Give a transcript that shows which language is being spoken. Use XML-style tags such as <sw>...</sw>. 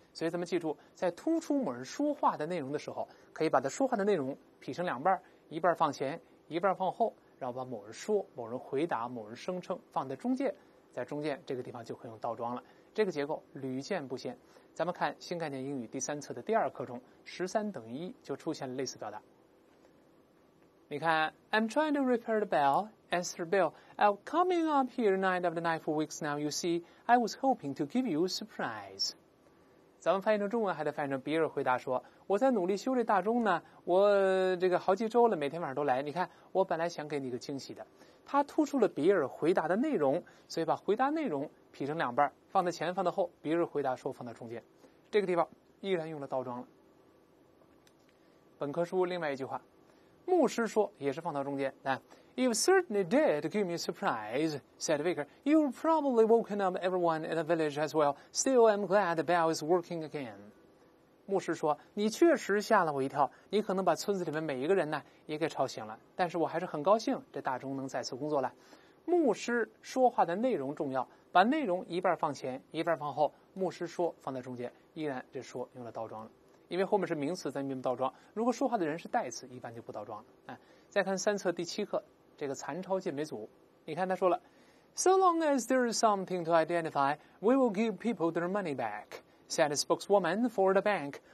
<zh>所以咱们记住，在突出某人说话的内容的时候，可以把他说话的内容劈成两半，一半放前一半放后，然后把某人说、某人回答、某人声称放在中间，在中间这个地方就可以用倒装了。这个结构屡见不鲜。咱们看新概念英语第三册的第二课中，13:1就出现了类似表达。你看</zh> <en>，I'm trying to repair the bell. Answer Bill. I'm coming up here night after night for weeks now. You see, I was hoping to give you a surprise.</en> <zh>咱们翻译成中文还得翻译成比尔回答说。我在努力修这大钟呢，我这个好几周了，每天晚上都来，你看我本来想给你一个惊喜的。他突出了比尔回答的内容，所以把回答内容劈成两半，放在前放在后，比尔回答说放在中间，这个地方依然用了倒装了。本科书另外一句话，牧师说也是放到中间，来</zh> <en>You certainly did give me a surprise, said Vicar. You probably woken up everyone in the village as well. Still, I'm glad the bell is working again.</en> <zh>牧师说，你确实吓了我一跳，你可能把村子里面每一个人呢也给吵醒了，但是我还是很高兴这大钟能再次工作了。牧师说话的内容重要，把内容一半放前一半放后，牧师说放在中间，依然这说用了倒装了，因为后面是名词咱们倒装，如果说话的人是代词一般就不倒装了。再看三册第七课这个残超健美组，你看他说了</zh> <en>So long as there is something to identify, we will give people their money back,said a spokeswoman for the bank.</en>